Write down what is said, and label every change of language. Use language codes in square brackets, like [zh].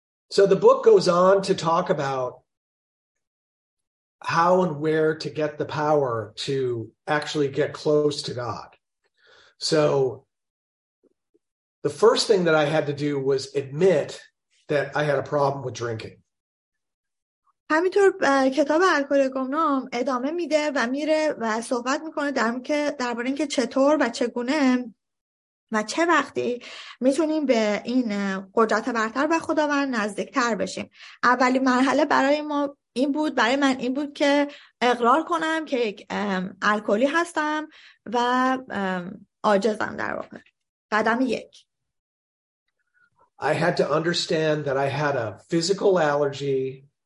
[en] So the book goes on to talk about how and where to get the power to actually get close to God. So the first thing that I had to do was admit that I had a problem with drinking. [fa] همینطور کتاب الکلیکونام ادامه میده و میره و صحبت میکنه در مورد که درباره اینکه چطور و چگونه و چه وقتی میتونیم به این قدرت برتر و خداوند نزدیکتر بشیم. اولی مرحله برای ما این بود، برای من این بود که اقرار کنم که یک الکلی هستم و عاجزم در واقع. قدم یک. [en] I had to understand that I had a physical allergy.